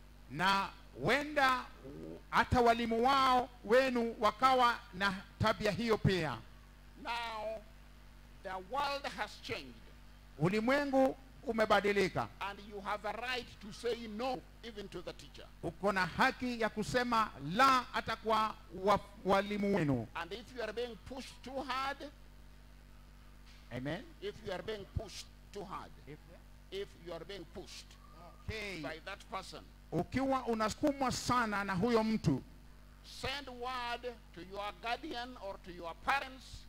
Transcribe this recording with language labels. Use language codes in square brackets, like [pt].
[sw] Na wenda hata walimu wao wenu wakawa na tabia hiyo pia. [en] Now the world has changed. [sw] Ulimwengu umebadilika. [en] And you have a right to say no even to the teacher. [sw] Uko na haki ya kusema la hata kwa walimu wenu. [en] And if you are being pushed too hard. Amen. If you are being pushed too hard. If you are being pushed. Okay. By that person. [sw] Ukiwa unasukumwa sana na huyo mtu. [en] Send word to your guardian or to your parents.